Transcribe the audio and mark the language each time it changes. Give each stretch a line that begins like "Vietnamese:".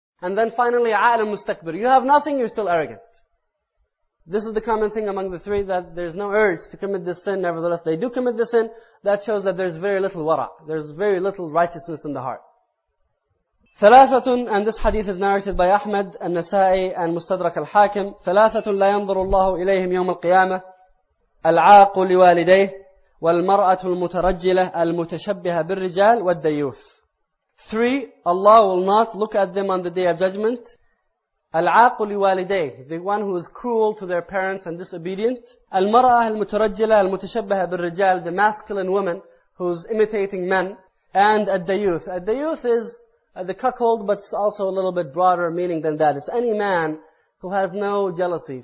English: And then finally,
Arabic: عَالَ مُسْتَكْبِرُ.
English: You have nothing, you're still arrogant. This is the common thing among the three, that there's no urge to commit this sin. Nevertheless, they do commit the sin. That shows that there's very little wara. There's very little righteousness in the heart. ثلاثة, and this hadith is narrated by Ahmad, al-Nasa'i, and Mustadrak al-Hakim.
Arabic: ثلاثة لا ينظر الله إليهم يوم القيامة. العاق لوالديه والمرأة المترجلة المتشبهة بالرجال والديوث.
English: Three, Allah will not look at them on the Day of Judgment.
Arabic: العاق لوالديه,
English: the one who is cruel to their parents and disobedient.
Arabic: المرأة المترجلة المتشبهة بالرجال,
English: the masculine woman who is imitating men. And الديوث. الديوث is the cuckold, but it's also a little bit broader meaning than that. It's any man who has no jealousy.